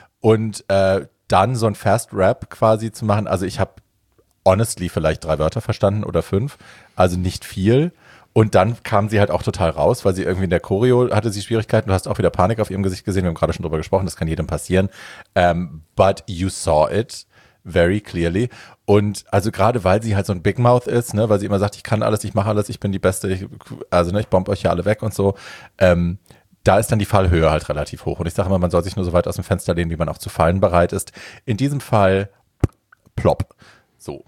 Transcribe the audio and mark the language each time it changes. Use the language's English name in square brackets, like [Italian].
[German] Und dann so ein Fast Rap quasi zu machen, also ich habe honestly vielleicht 3 Wörter verstanden oder 5, also nicht viel. Und dann kam sie halt auch total raus, weil sie irgendwie in der Choreo hatte sie Schwierigkeiten. Du hast auch wieder Panik auf ihrem Gesicht gesehen. Wir haben gerade schon drüber gesprochen, das kann jedem passieren. [English] But you saw it very clearly. [German] Und also gerade, weil sie halt so ein Big Mouth ist, ne, weil sie immer sagt, ich kann alles, ich mache alles, ich bin die Beste, ich bombe euch ja alle weg und so. Da ist dann die Fallhöhe halt relativ hoch. Und ich sage immer, man soll sich nur so weit aus dem Fenster lehnen, wie man auch zu fallen bereit ist. In diesem Fall, plopp. So.